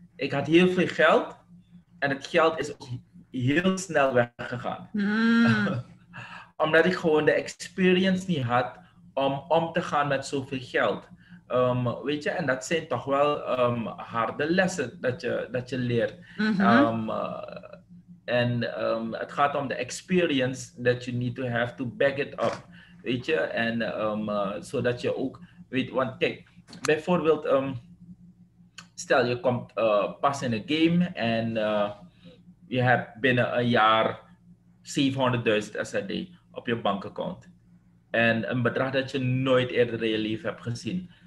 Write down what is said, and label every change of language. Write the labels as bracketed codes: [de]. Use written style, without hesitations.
[nl] Ik had heel veel geld en het geld is ook heel snel weggegaan. Mm. Omdat ik gewoon de experience niet had om te gaan met zoveel geld. Weet je, en dat zijn toch wel harde lessen dat je leert. Mm-hmm. Het gaat om de [en] experience that you need to have to back it up. [nl] Weet je, en zodat je ook weet, want kijk, bijvoorbeeld, stel je komt pas in een game en je hebt binnen een jaar 700.000 SAD op je bankaccount. En een bedrag dat je nooit eerder in je leven hebt gezien.